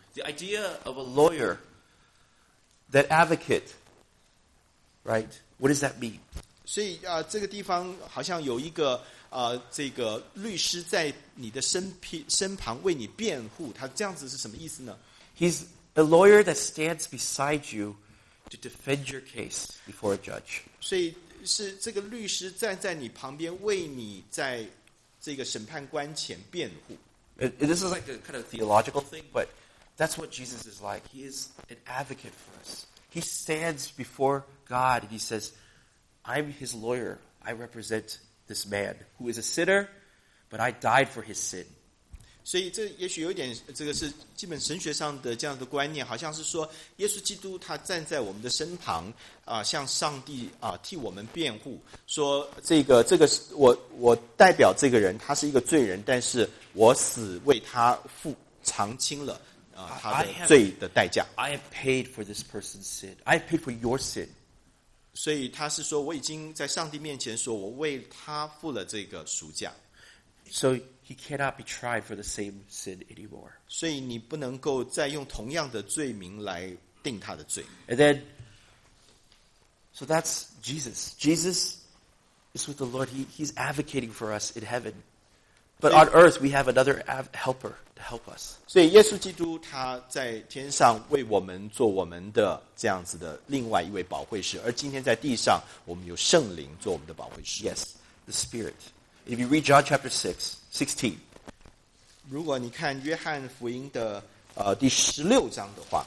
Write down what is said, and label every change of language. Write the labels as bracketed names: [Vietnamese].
[English] The idea of a lawyer, that advocate, right? What does that mean? [Chinese] 所以啊，这个地方好像有一个啊，这个律师在你的身旁为你辩护，他这样子是什么意思呢 [English] ？He's a lawyer that stands beside you. To defend your case before a judge. [Chinese] 所以是这个律师站在你旁边为你在这个审判官前辩护。 [English] This is like a kind of theological thing, but that's what Jesus is like. He is an advocate for us. He stands before God and he says, I'm his lawyer. I represent this man who is a sinner, but I died for his sin. [Chinese] 所以这也许有一点，这个是基本神学上的这样的观念，好像是说，耶稣基督他站在我们的身旁，向上帝替我们辩护，说这个我代表这个人，他是一个罪人，但是我死为他付偿清了他的罪的代价。 [English] I have paid for this person's sin. I have paid for your sin. [Chinese] 所以他是说，我已经在上帝面前说，我为他付了这个赎价。 [English] So. He cannot be tried for the same sin anymore. [Chinese] 所以你不能够再用同样的罪名来定他的罪。 [English] And then, so that's Jesus. Jesus is with the Lord. He's advocating for us in heaven. But on earth, we have another helper to help us. [Chinese] 所以耶稣基督他在天上为我们做我们的这样子的另外一位保惠师，而今天在地上我们有圣灵做我们的保惠师。 [English] Yes, the Spirit. If you read John chapter 16. [Chinese] 如果你看约翰福音的第十六章的话